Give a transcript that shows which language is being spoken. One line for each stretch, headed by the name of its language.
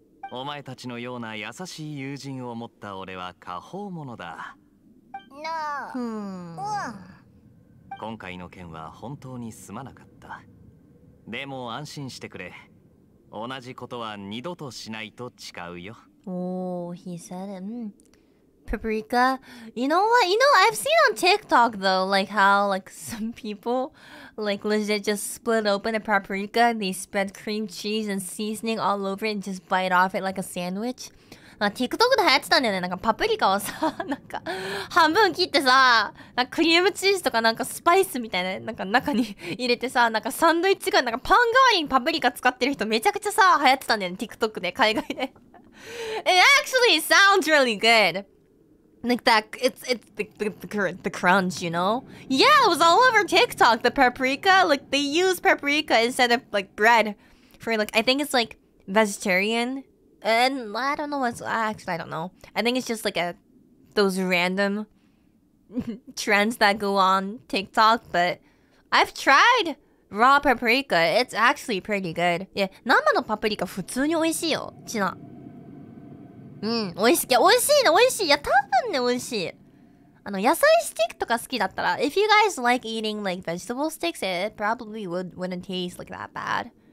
Japanese: お前たちのような優しい友人を持った俺は過保物だ。なあ。うん。うん。今回の剣は本当にすまなかった。でも安心してくれ。同じことは二度としないと誓うよ。
English: おお、he said it. Paprika, you know what? You know, I've seen on TikTok though, like how like some people like legit just split open a paprika and they spread cream cheese and seasoning all over it and just bite off it like a sandwich.
Japanese: TikTok で流行ってたんだよね。なんかパプリカをさ、なんか半分切ってさ、なんかクリームチーズとかなんかスパイスみたいななんか中に入れてさ、なんかサンドイッチがなんかパン代わりにパプリカ使ってる人めちゃくちゃさ流行ってたんだよね、TikTok で、海外で。
English: It actually sounds really good. Like that, it's the crunch, you know? Yeah, it was all over TikTok, the paprika. Like they use paprika instead of like bread for like, I think it's like vegetarian. And I don't know what's actually, I don't know. I think it's just like a, those random trends that go on TikTok, but I've tried raw paprika, it's actually pretty good. Yeah,
Japanese: 生のパプリカ普通に美味しいよ。ちな。うん、美味しい。いや、美味しいね、美味しい。いや、多分ね、美味しい。あの、野菜スティックとか好きだったら、
English: if you guys like eating like vegetable sticks, it probably wouldn't taste like that bad.